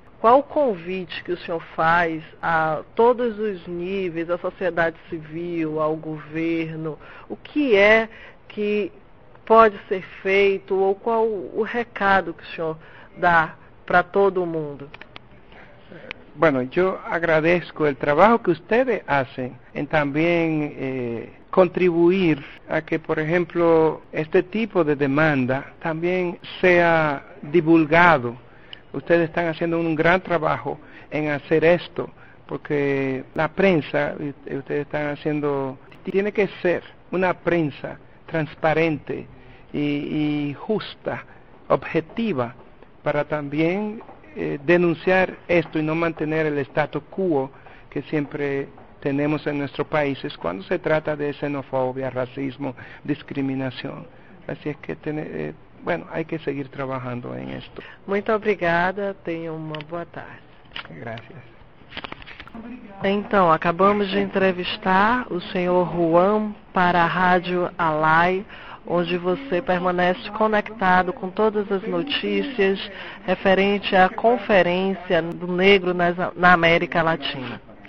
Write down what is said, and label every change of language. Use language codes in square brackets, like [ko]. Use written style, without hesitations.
[pt] Qual o convite que o senhor faz a todos os níveis, à sociedade civil, ao governo? O que é que pode ser feito ou qual o recado que o senhor dá para todo mundo? [es] Bueno, yo agradezco el trabajo que ustedes hacen en también contribuir a que, por ejemplo, este tipo de demanda también sea divulgado. Ustedes están haciendo un gran trabajo en hacer esto, porque la prensa, ustedes están haciendo, tiene que ser una prensa transparente y justa, objetiva, para también denunciar esto y no mantener el status quo que siempre tenemos en nuestros países cuando se trata de xenofobia, racismo, discriminación. Así es que hay que seguir trabajando en esto. [pt] Muito obrigada, tenha uma boa tarde. [es] Gracias. [pt] Então, acabamos de entrevistar o senhor Juan para a Rádio Alai, onde você permanece conectado com todas as notícias referente à conferência do negro na América Latina.